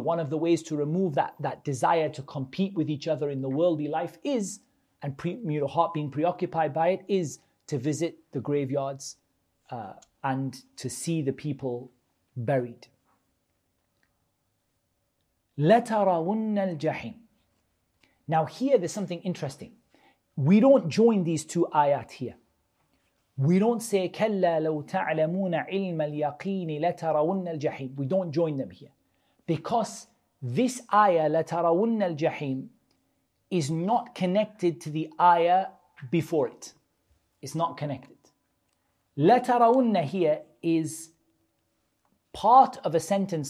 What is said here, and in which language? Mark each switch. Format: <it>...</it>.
<en>One of the ways to remove that desire to compete with each other in the worldly life is, and your heart being preoccupied by it, is to visit the graveyards and to see the people buried.</en> <ar>لَتَرَوُنَّ الْجَحِيمِ.</ar> <en>Now here there's something interesting. We don't join these two ayat here. We don't say</en> <ar>كلا لو تعلمون علم اليقين لترون الجحيم.</ar> <en>We don't join them here, because this ayah</en> <ar>لترون الجحيم</ar> <en>is not connected to the ayah before it. It's not connected. لترون here is part of a sentence.</en>